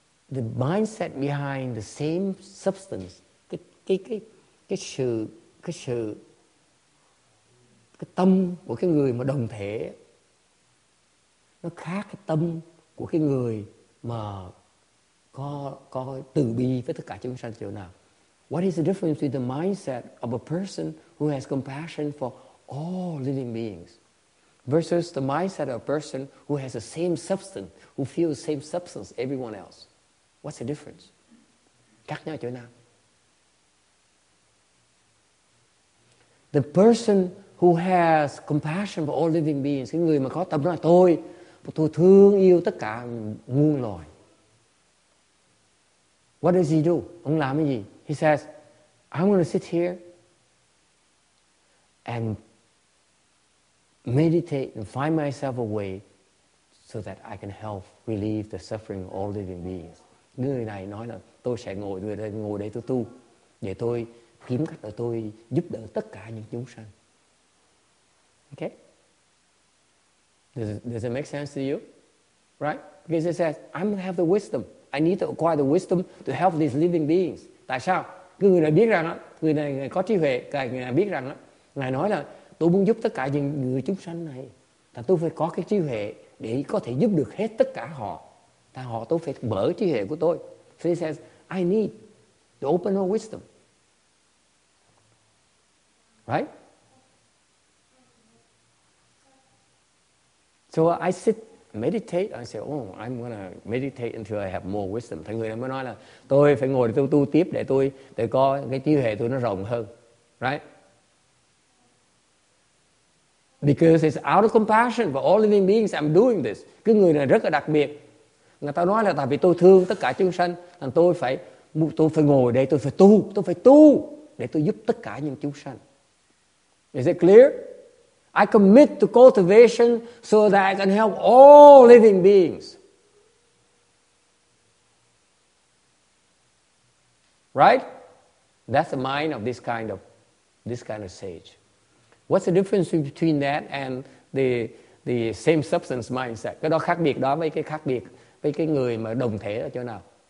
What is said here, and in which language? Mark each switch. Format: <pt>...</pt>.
<en>The mindset behind the same substance,</en> <vi>cái tâm của cái người mà đồng thể, nó khác cái tâm của cái người mà có từ bi với tất cả chúng sanh chỗ nào.</vi> <en>What is the difference between the mindset of a person who has compassion for all living beings versus the mindset of a person who has the same substance, who feels the same substance everyone else? What's the difference?</en> <vi>khác nhau chỗ nào?</vi> <en>The person who has compassion for all living beings,</en> <vi>cái người mà có tâm nói tôi thương yêu tất cả muôn loài.</vi> <en>What does he do?</en> <vi>Ông làm cái gì?</vi> <en>He says, I'm going to sit here and meditate and find myself a way so that I can help relieve the suffering of all living beings.</en> <vi>Người này nói là tôi sẽ ngồi đây tôi tu để tôi kiếm cách để tôi giúp đỡ tất cả những chúng sanh.</vi> <en>Okay? Does it make sense to you? Right? Because it says, I'm going to have the wisdom. I need to acquire the wisdom to help these living beings.</en> <vi>Tại sao? Người này biết rằng đó, người này có trí huệ, người này biết rằng đó. Ngài nói là tôi muốn giúp tất cả những người chúng sanh này. Là tôi phải có cái trí huệ để có thể giúp được hết tất cả họ. Tại họ tôi phải mở trí huệ của tôi.</vi> <en>So he says, I need to open our wisdom. Right? So I sit, meditate. I say, oh, I'm going to meditate until I have more wisdom.</en> <vi>Thầy người này mới nói là tôi phải ngồi để tu tiếp để tôi để có cái trí huệ tôi nó rộng hơn.</vi> <en>Right? Because it's out of compassion for all living beings, I'm doing this.</en> <vi>Cái người này rất là đặc biệt. Người ta nói là tại vì tôi thương tất cả chúng sanh, nên tôi phải ngồi đây, tôi phải tu để tôi giúp tất cả những chúng sanh.</vi> <en>Is it clear? I commit to cultivation so that I can help all living beings. Right? That's the mind of this kind of sage. What's the difference between that and the same substance mindset?</en> <vi>Cái đó khác biệt đó với cái khác biệt với cái người mà đồng thể ở chỗ nào?</vi>